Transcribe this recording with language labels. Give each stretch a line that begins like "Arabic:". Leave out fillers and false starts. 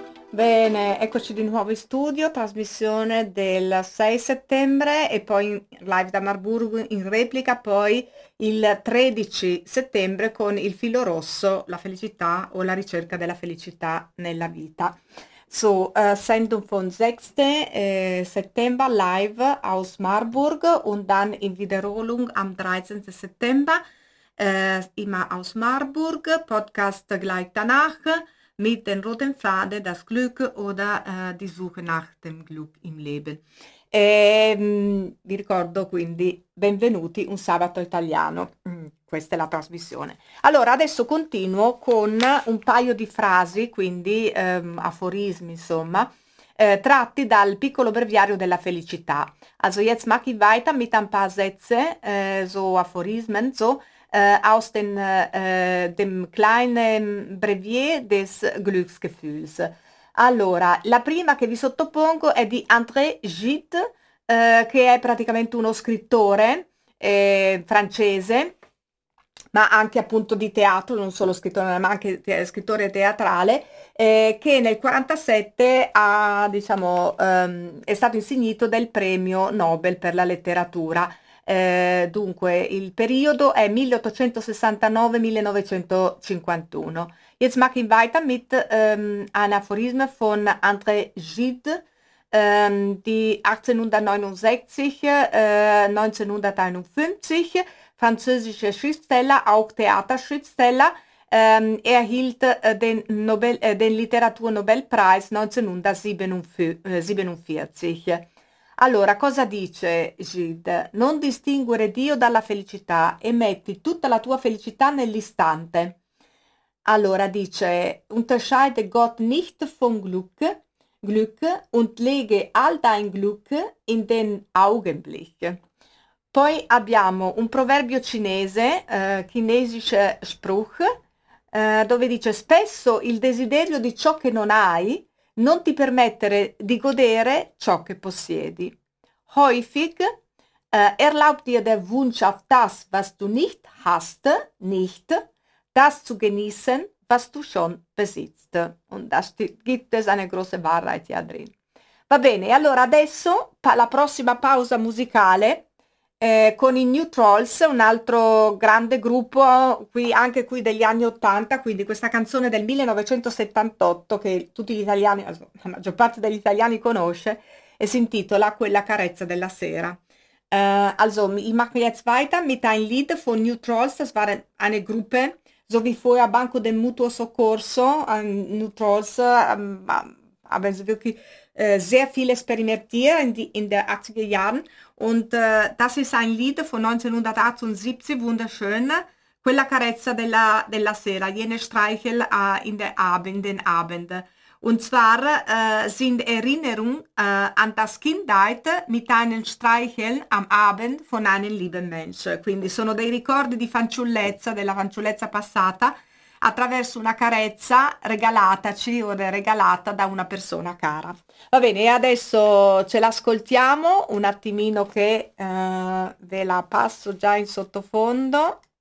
Italian: Bene, eccoci di nuovo in studio, trasmissione del 6 settembre e poi live da Marburgo in replica, poi il 13 settembre con il filo rosso, la felicità o la ricerca della felicità nella vita.
German: So, Sendung von 6. September live aus Marburg und dann in Wiederholung am 13. September immer aus Marburg, Podcast gleich danach. Mit den roten Faden, das Glück oder die Suche nach dem Glück im Leben.
Italian: E, vi ricordo quindi, benvenuti un sabato italiano. Questa è la trasmissione. Allora, adesso continuo con un paio di frasi, quindi aforismi, insomma, tratti dal piccolo breviario della felicità.
German: Also jetzt mache ich weiter mit ein paar Sätze, so Aphorismen, so. Aus den, dem kleinen Brevier des Glücksgefühls.
Italian: Allora, la prima che vi sottopongo è di André Gide, che è praticamente uno scrittore francese, ma anche appunto di teatro, non solo scrittore, ma anche scrittore teatrale, che nel 47 ha, diciamo, è stato insignito del premio Nobel per la letteratura. Dunque, il periodo è 1869-1951.
German: Jetzt mache ich weiter mit einem Aphorism von André Gide, die 1869, 1951, französische Schriftsteller, auch Theaterschriftsteller, erhielt den Nobel, den Literaturnobelpreis 1947.
Italian: Allora, cosa dice Gide? Non distinguere Dio dalla felicità e metti tutta la tua felicità nell'istante. Allora dice,
German: unterscheide Gott nicht von Glück und lege all dein Glück in den Augenblick.
Italian: Poi abbiamo un proverbio cinese,
German: chinesische Spruch,
Italian: dove dice: spesso il desiderio di ciò che non hai non ti permettere di godere ciò che possiedi.
German: Häufig erlaubt dir der Wunsch auf das, was du nicht hast, nicht, das zu genießen, was du schon besitzt. Und da gibt es eine große Wahrheit ja drin.
Italian: Va bene, allora adesso la prossima pausa musicale con i New Trolls, un altro grande gruppo, qui anche qui degli anni 80, quindi questa canzone del 1978 che tutti gli italiani, la maggior parte degli italiani conosce, e si intitola Quella carezza della sera.
German: Also, ich mache jetzt weiter mit einem Lied von New Trolls, das war eine Gruppe, so wie vorher Banco del Mutuo Soccorso, New Trolls, haben sie wirklich sehr viel experimentiert in den 80er Jahren. Und das ist ein Lied von 1978, wunderschön, Quella carezza della sera, jene Streichel in der Abend, den Abend. Und zwar sind Erinnerungen an das Kindheit mit einem Streicheln am Abend von einem lieben Mensch.
Italian: Quindi sono dei ricordi di fanciullezza, della fanciullezza passata, attraverso una carezza regalataci o regalata da una persona cara. Va bene, adesso ce l'ascoltiamo un attimino che ve la passo già in sottofondo.